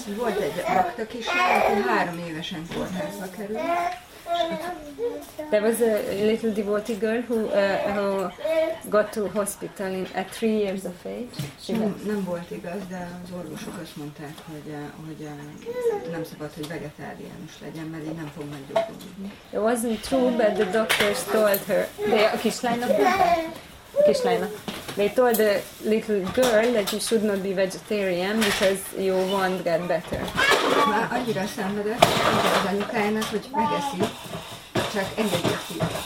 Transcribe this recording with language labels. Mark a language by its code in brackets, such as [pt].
[hu] Volt egy rakta kislány, aki 3 évesen kórházba került. [en] There was a little devotee girl who got to hospital at 3 years of age. [hu] Nem volt igaz, de az orvosok azt mondták, hogy nem szabad, hogy vegetáriánus legyen, mert így nem fog meggyógyulni. [en] It wasn't true, but the doctors told her. [hu] A kislánynak. [en] They told the little girl that you should not be vegetarian because you won't get better. [hu] Már annyira szenvedett az anyukájának, hogy megeszi, csak engedjük ki.